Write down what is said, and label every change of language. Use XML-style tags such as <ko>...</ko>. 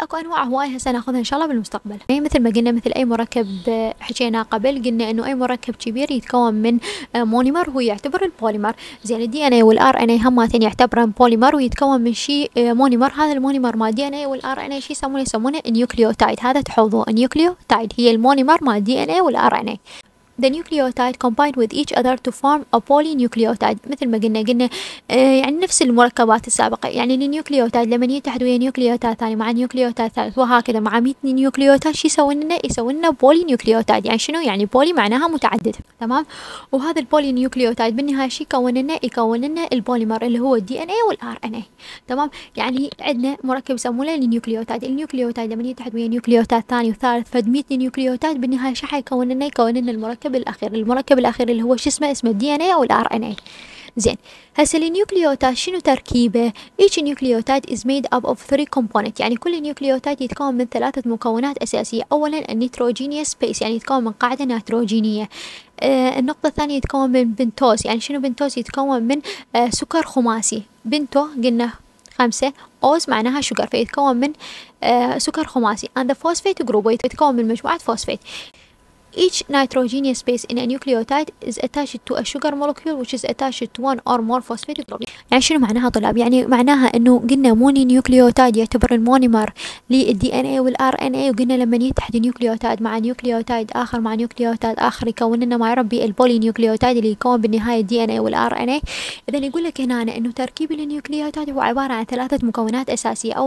<ar>اكو انواع هواي هسه ناخذها ان شاء الله بالمستقبل. يعني مثل ما قلنا، مثل اي مركب حكينا قبل، قلنا انه اي مركب كبير يتكون من مونيمر، هو يعتبر البوليمر. زين، الدي ان اي والار ان اي هماتين يعتبرن بوليمر ويتكون من شيء مونيمر. هذا المونيمر مال دي ان اي والار ان اي شيء يسمونه نيوكليوتايد. هذا تحفظوا، نيوكليوتايد هي المونيمر مال دي ان اي والار ان اي.</ar> <en>The nucleotide combined with each other to form a polynucleotide.</en> <ar>مثل ما قلنا يعني نفس المركبات السابقة. يعني النيوكليوتايد لما يتحد ويا نيوكليوتايد ثاني مع نيوكليوتايد ثالث وهكذا مع 100 نيوكليوتايد، شي يسوي لنا بولينيوكليوتايد. يعني شنو؟ يعني بولي معناها متعدد. تمام، وهذا البولينيوكليوتايد بالنهاية شي يكون لنا البوليمر اللي هو الدي ان اي والار ان اي. تمام، يعني عندنا مركب يسمونه النيوكليوتايد. النيوكليوتايد لما يتحد ويا نيوكليوتايد ثاني وثالث فد 100 نيوكليوتايد، بالنهاية شي يكون لنا المركب الأخير اللي هو شو اسمه الدي ان اي او الار ان اي. زين، هسه النيوكليوتايد شنو تركيبه؟</ar> <en>each nucleotide is made up of three component.</en> <ar>يعني كل نيوكليوتايد يتكون من ثلاثة مكونات أساسية. أولا النيتروجينيوس بيس، يعني يتكون من قاعدة نيتروجينية. النقطة الثانية يتكون من بنتوز. يعني شنو بنتوز؟ يتكون من سكر خماسي. بنتو قلنا 5، أوز معناها شكر، فيتكون من سكر خماسي.</ar> <en>and the phosphate group،</en> <ar>يتكون من مجموعة فوسفيت.</ar> <en>Each nitrogenous base in a nucleotide is attached to a sugar molecule which is attached to one or more phosphate group.</en> <ar>يعني شنو معناها طلاب؟ يعني معناها انه قلنا موني نيوكليوتايد يعتبر المونيمر للدي ان اي والار ان اي، وقلنا لما يتحد نيوكليوتايد مع نيوكليوتايد اخر مع نيوكليوتايد اخر يكون لنا ما يربي البولي نيوكليوتايد اللي يكون بالنهايه الدي ان اي والار ان اي. اذا يقول لك هنا انه تركيب النيوكليوتايد هو عباره عن ثلاثه مكونات اساسيه.</ar>